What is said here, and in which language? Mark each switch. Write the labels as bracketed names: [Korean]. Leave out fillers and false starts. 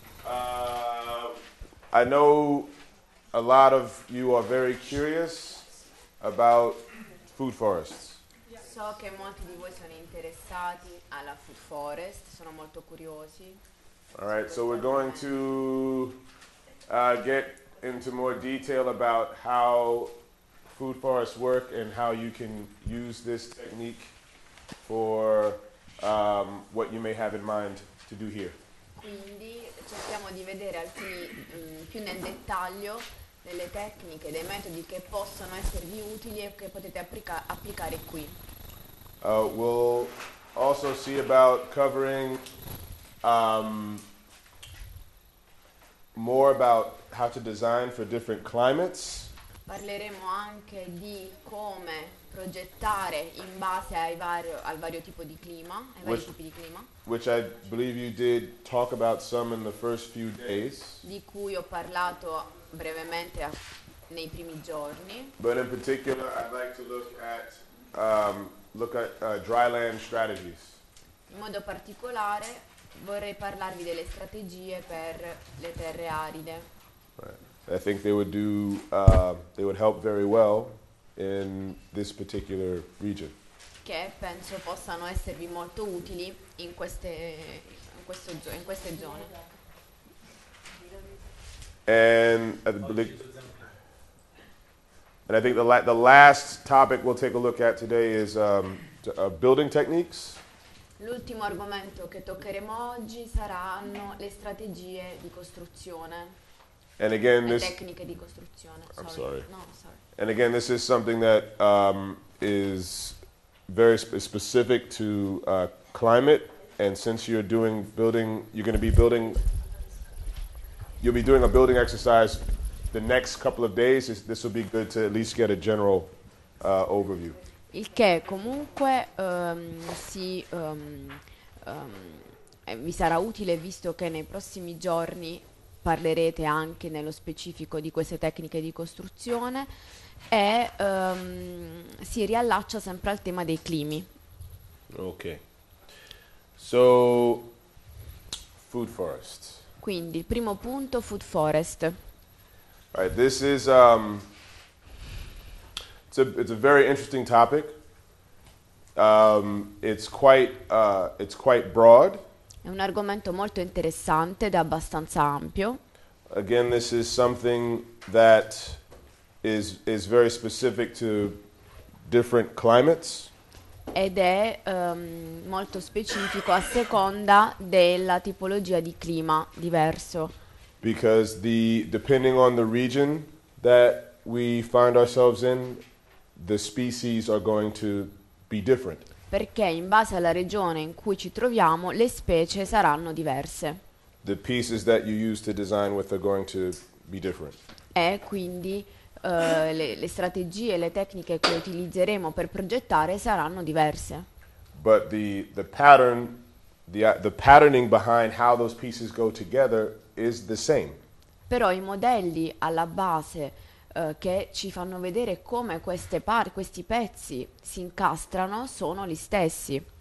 [English] I know a lot of you are very curious about food forests. [Italian] So che molti di voi sono interessati alla food forest, sono molto curiosi. [English] All right, so we're going to get into more detail about how food forests work and how you can use this technique for what you may have in mind to do here. [Italian] Quindi cerchiamo di vedere alcuni più nel dettaglio delle tecniche, dei metodi che possono esservi utili e che potete applicare qui. [English] We'll also see about covering more about how to design for different climates. [Italian] Parleremo anche di come progettare in base ai vario, al vario tipo di clima, ai vari tipi di clima. [English] Which I believe you did talk about some in the first few days. [Italian] Di cui ho parlato brevemente nei primi giorni. [English] But in particular I'd like to look at dry land strategies. [Italian] In modo particolare vorrei parlarvi delle strategie per le terre aride. [English] I think they would do they would help very well in this particular region. [Italian] Che penso possano esservi molto utili in queste in questo in queste zone. [English] And I think the last topic we'll take a look at today is building techniques. [Italian] L'ultimo argomento che toccheremo oggi saranno le strategie di costruzione. [English] And again, this. [Italian] Tecniche di costruzione. [English] Sorry. And again, this is something that is very specific to climate. And since you're doing building, you're going to be building. You'll be doing a building exercise the next couple of days. This will be good to at least get a general overview. [Italian] Il che comunque vi sarà utile visto che nei prossimi giorni. Parlerete anche nello specifico di queste tecniche di costruzione e si riallaccia sempre al tema dei climi. [English] Ok. So, food forest. [Italian] Quindi, il primo punto, food forest. [English] Right, this is it's a very interesting topic. It's quite broad. [Italian] È un argomento molto interessante ed abbastanza ampio. [English] Again, this is something that is very specific to different climates. [Italian] Ed è molto specifico a seconda della tipologia di clima diverso. [English] Because depending on the region that we find ourselves in, the species are going to be different. [Italian] Perché in base alla regione in cui ci troviamo, le specie saranno diverse. [English] The pieces that you use to design with are going to be different. [Italian] E quindi le strategie e le tecniche che utilizzeremo per progettare saranno diverse. [English] But the patterning behind how those pieces go together is the same. [Italian] Però i modelli alla base che ci fanno vedere come questi pezzi si incastrano sono gli stessi.